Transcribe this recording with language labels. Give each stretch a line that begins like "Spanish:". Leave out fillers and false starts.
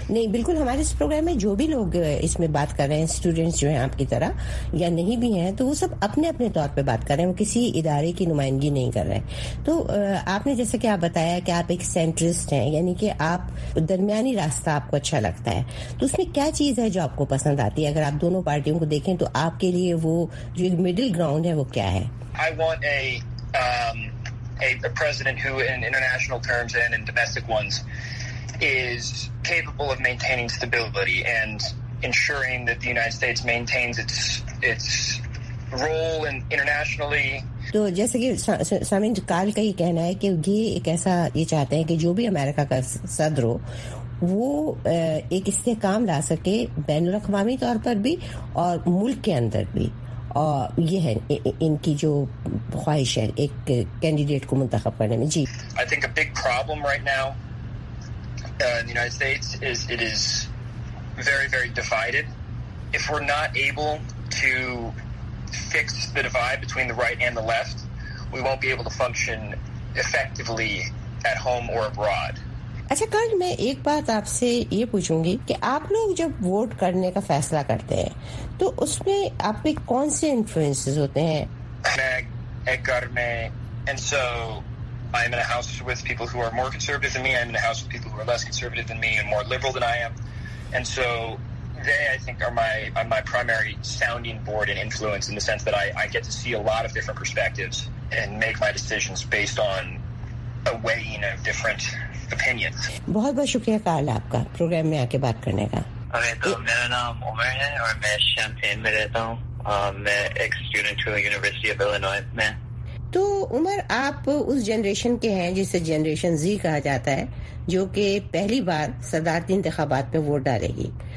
Urdu: نہیں بالکل, ہمارے اس پروگرام میں جو بھی لوگ اس میں بات کر رہے ہیں, اسٹوڈینٹس جو ہیں آپ کی طرح یا نہیں بھی ہیں, تو وہ سب اپنے اپنے طور پہ بات کر رہے ہیں, وہ کسی ادارے کی نمائندگی نہیں کر رہے. تو آپ نے جیسے کہ آپ بتایا کہ آپ ایک سینٹرسٹ ہیں, یعنی کہ آپ درمیانی راستہ آپ کو اچھا لگتا ہے, تو اس میں کیا چیز ہے جو آپ کو پسند آتی ہے؟ اگر آپ دونوں پارٹیوں کو دیکھیں تو آپ کے لیے وہ جو ایک مڈل گراؤنڈ ہے وہ کیا ہے؟
English: I want a president who in international terms and in domestic ones is capable of maintaining stability and ensuring that the United States maintains its role in internationally.
Urdu: تو جیسے کہ سامین, کارل کا یہ کہنا ہے کہ یہ ایک ایسا, یہ چاہتے ہیں کہ جو بھی امریکہ کا صدر ہو وہ ایک استحکام لا سکے بین الاقوامی طور پر بھی اور ملک کے اندر بھی, اور یہ ہے ان کی جو خواہش ہے ایک کینڈیڈیٹ کو منتخب کرنے میں. جی
English: I think a big problem right now in the United States is it is very very divided. If we are not able to fix the divide between the right and the left we won't be able to function effectively at home or abroad.
Urdu: اچھا کل میں ایک بات آپ سے یہ پوچھوں گی کہ آپ لوگ جب ووٹ کرنے کا فیصلہ کرتے ہیں تو اس میں آپ کے کون سے انفلوئنسز ہوتے ہیں؟ گھر میں
English: and so I'm in a house with people who are more conservative than me, I'm in a house with people who are less conservative than me and more liberal than I am, and so they I think are my primary sounding board and influence in the sense that I get to see a lot of different perspectives and make my decisions based on a weighing of different opinions.
Urdu: بہت بہت شکریہ Karl آپ کا programme میں آ کے بات کرنے کا. میرا نام عمر ہے اور میں شیمپین میں رہتا ہوں. میں ایک اسٹوڈنٹ ہوں یونیورسٹی آف الینوائے میں. تو عمر آپ اس جنریشن کے ہیں جسے جنریشن زی کہا جاتا ہے جو کہ پہلی بار صدارتی انتخابات میں ووٹ ڈالے گی.